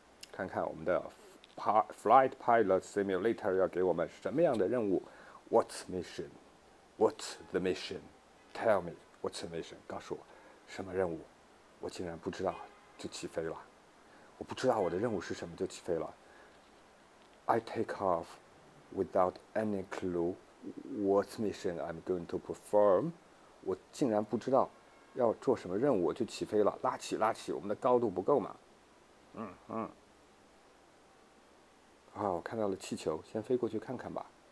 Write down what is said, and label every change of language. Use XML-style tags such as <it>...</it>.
<zh>看看我们的 flight pilot simulator 要给我们什么样的任务？ What's mission?</zh> <en>What's the mission? Tell me, what's the mission? 告诉我，什么任务？我竟然不知道。</en> <zh>就起飞了，我不知道我的任务是什么就起飞了。</zh> <en>I take off without any clue what mission I'm going to perform。</en> <zh>我竟然不知道要做什么任务，我就起飞了。拉起拉起，我们的高度不够嘛。我看到了气球，先飞过去看看吧。</zh>